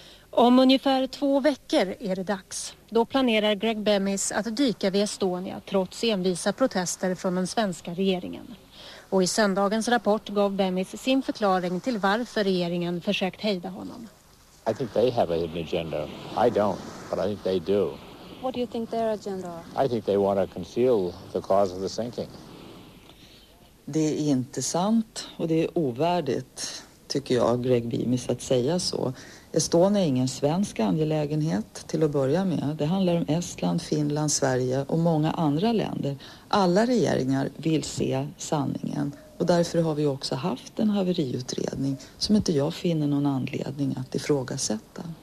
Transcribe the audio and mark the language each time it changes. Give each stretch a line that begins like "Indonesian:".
Swedish: Om ungefär 2 veckor är det dags. Då planerar Greg Beamys att dyka vid Estonia trots envisa protester från den svenska regeringen. Och i söndagens rapport gav Beamys sin förklaring till varför regeringen försökt hejda honom.
English: I think they have a hidden agenda. I don't, but I think they do. What do you think their agenda are? I think they want to conceal the cause of the sinking.
Swedish: Det är inte sant och det är ovärdigt, tycker jag, Greg Beamys, att säga så. Estonia är ingen svensk angelägenhet till att börja med. Det handlar om Estland, Finland, Sverige och många andra länder. Alla regeringar vill se sanningen. Och därför har vi också haft en haveriutredning som inte jag finner någon anledning att ifrågasätta.